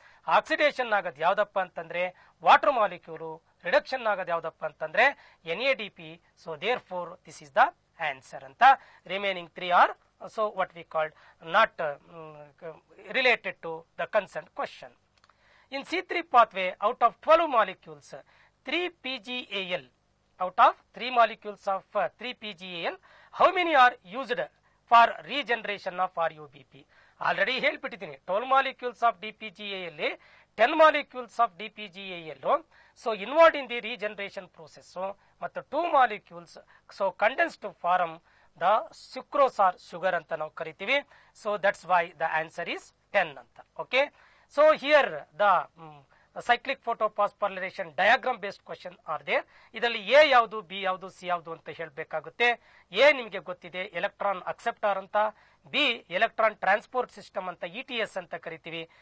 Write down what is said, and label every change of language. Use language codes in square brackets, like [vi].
[kn] Oxidation ಆಗೋದು ಯಾವ್ದಪ್ಪ ಅಂತಂದ್ರೆ ವಾಟರ್ ಮಾಲಿಕ್ಯೂಲು, ರಿಡಕ್ಷನ್ ಆಗೋದು ಯಾವ್ದಪ್ಪ ಅಂತಂದ್ರೆ N A D P. [en] So therefore this is the answer ಅಂತ. Remaining three are so what we called not related to the concern question. In C three pathway out of 12 molecules 3 PGAL, out of 3 molecules of 3 PGAL, how many are used for regeneration of RUBP? Already ಹೇಳ್ಬಿಟ್ಟಿದ್ದೀನಿ, 12 molecules of DPGAL, 10 molecules of DPGAL, so involved in the regeneration process, ಮತ್ತು 2 molecules, so condensed to form the sucrose or sugar [kn] ಅಂತ ನಾವು ಕರಿತೀವಿ. [en] So that's why the answer is 10 ಅಂತ. Okay, so here the cyclic photo phosphorylation diagram based question are there. [kn] ಇದರಲ್ಲಿ A ಯಾವುದು, B ಯಾವುದು, C ಯಾವುದು ಅಂತ ಹೇಳಬೇಕಾಗುತ್ತೆ. ಎ ನಿಮಗೆ ಗೊತ್ತಿದೆ, ಎಲೆಕ್ಟ್ರಾನ್ ಅಕ್ಸೆಪ್ಟಾರ್ ಅಂತ. ಬಿ ಎಲೆಕ್ಟ್ರಾನ್ ಟ್ರಾನ್ಸ್ಪೋರ್ಟ್ ಸಿಸ್ಟಮ್ ಅಂತ, ಇ ಟಿ ಎಸ್ ಅಂತ ಕರಿತೀವಿ.